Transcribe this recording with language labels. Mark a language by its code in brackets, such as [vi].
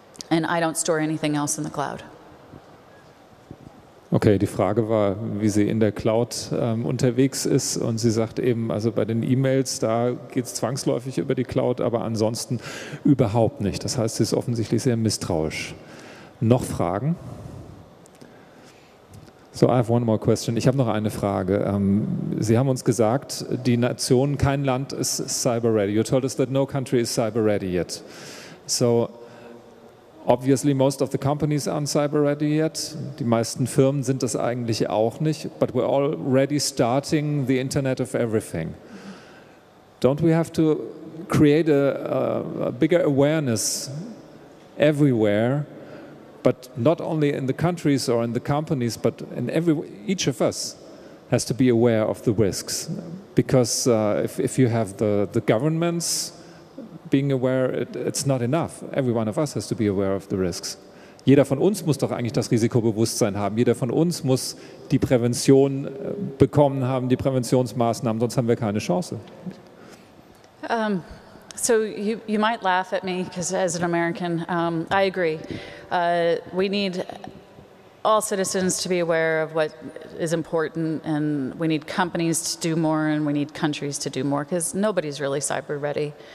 [en] And I don't store anything else in the cloud. [de] Okay, die Frage war, wie sie in der Cloud unterwegs ist. Und sie sagt eben, also bei den E-Mails, da geht es zwangsläufig über die Cloud, aber ansonsten überhaupt nicht. Das heißt, sie ist offensichtlich sehr misstrauisch. Noch Fragen? [en] So, I have one more question. [de] Ich habe noch eine Frage. Sie haben uns gesagt, die Nation, kein Land ist cyber ready. [en] You told us that no country is cyber ready yet. So, obviously most of the companies aren't cyber ready yet. [de] Die meisten Firmen sind das eigentlich auch nicht. [en] But we're already starting the Internet of Everything. Don't we have to create a bigger awareness everywhere? But not only in the countries or in the companies, but in each of us has to be aware of the risks. Because if you have the governments being aware, it's not enough. Every one of us has to be aware of the risks. [de] Jeder von uns muss doch eigentlich das Risikobewusstsein haben. Jeder von uns muss die Prävention bekommen haben, die Präventionsmaßnahmen, sonst haben wir keine Chance. [en] So you might laugh at me because as an American, I agree. We need all citizens to be aware of what is important, and we need companies to do more, and we need countries to do more because nobody's really cyber ready.